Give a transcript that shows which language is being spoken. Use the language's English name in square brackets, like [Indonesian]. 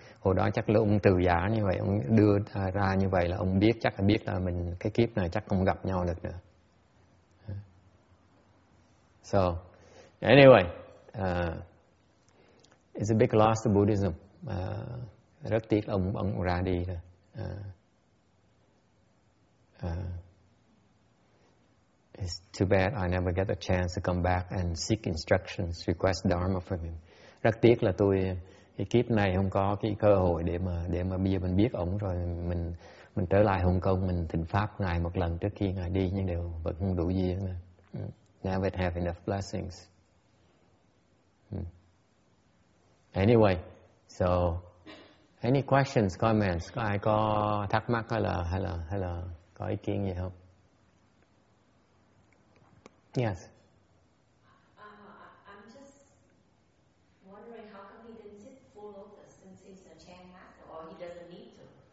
[Vietnamese] Hồi đó chắc là ông từ giả như vậy, ông đưa ra như vậy là ông biết, chắc là biết là mình cái kiếp này chắc không gặp nhau được nữa. [English] So anyway, it's a big loss to Buddhism. [Vietnamese] Rất tiếc là ông ra đi rồi. [English] It's too bad I never get a chance to come back and seek instructions, request dharma from him. [Vietnamese] Rất tiếc là tôi cái kiếp này không có cái cơ hội để mà bây giờ mình biết ổng rồi mình trở lại Hồng Kông mình thỉnh pháp ngài một lần trước khi ngài đi, nhưng đều vẫn không đủ duyên. [English] Never have enough blessings. Anyway, so any questions, comments? [Vietnamese] Có ai có thắc mắc hay là có ý kiến gì không? [English] Yes. I'm just wondering how come he didn't sit full lotus since he's a Chan master, or he doesn't need to.